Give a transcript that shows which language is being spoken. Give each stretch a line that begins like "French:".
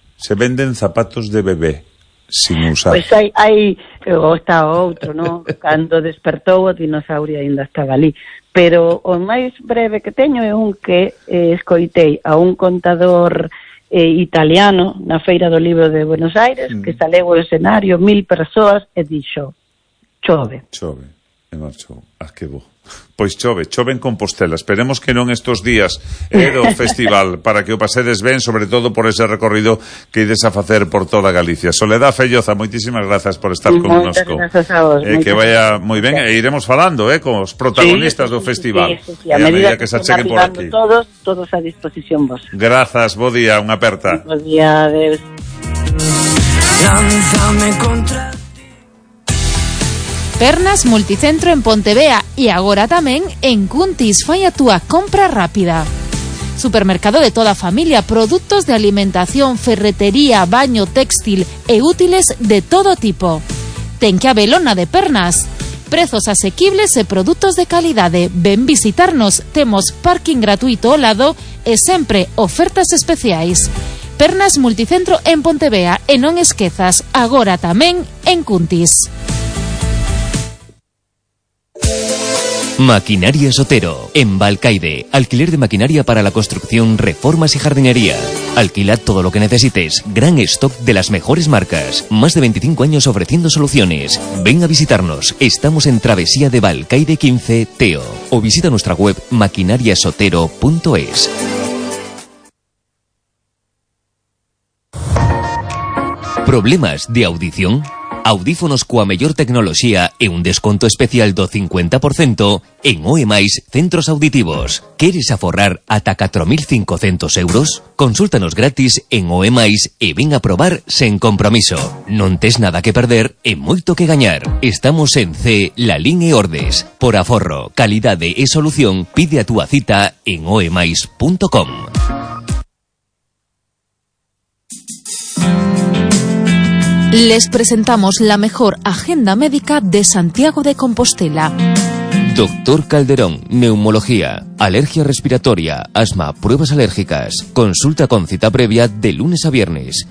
Spanish: Se venden zapatos de bebé sin usar.
Galician: Pois hai está outro, non? Cando despertou o dinosaurio aínda estaba ali. Pero o máis breve que teño é un que escoitei a un contador italiano na Feira do Libro de Buenos Aires que saleu o escenario, 1000 persoas, e dixo: chove. E marchou. Ah, que bo. Pois chove en Compostela. Esperemos que non estos días do festival, para que o pasedes ben, sobre todo por ese recorrido que ides a facer por toda Galicia. Soledad Fellosa, moitísimas grazas por estar con nosco. Que vaya moi ben. E iremos falando con os protagonistas do festival. Sí. A medida que se achegue por aquí. Todos a disposición vos. Grazas, bo día, unha aperta. Bo día, adeus. Lánzame contra...
Spanish: Pernas Multicentro en Pontevea y ahora también en Cuntis.
Galician: Fai a túa compra rápida. Supermercado de toda familia, productos de alimentación, ferretería, baño, textil e útiles de todo tipo. Ten que a velona de Pernas. Prezos asequibles e produtos de calidade. Ven visitarnos, temos parking gratuito ao lado e sempre ofertas especiais. Pernas Multicentro en Pontevea e non esquezas, agora tamén en Cuntis.
Spanish: Maquinaria Sotero, en Balcaide. Alquiler de maquinaria para la construcción, reformas y jardinería. Alquila todo lo que necesites. Gran stock de las mejores marcas. Más de 25 años ofreciendo soluciones. Ven a visitarnos. Estamos en Travesía de Balcaide 15, Teo. O visita nuestra web maquinariasotero.es.
Galician: ¿Problemas de audición? Audífonos coa mellor tecnoloxía e un desconto especial do 50% en OEMAIS Centros Auditivos. ¿Queres aforrar ata 4.500 euros? Consúltanos gratis en OEMAIS e ven a probar sen compromiso. Non tes nada que perder e moito que gañar. Estamos en C, La Lín e Ordes. Por aforro, calidade e solución, pide a túa cita en oemais.com.
Spanish: Les presentamos la mejor agenda médica de Santiago de Compostela. Doctor Calderón, neumología, alergia respiratoria, asma, pruebas alérgicas. Consulta con cita previa de lunes a viernes.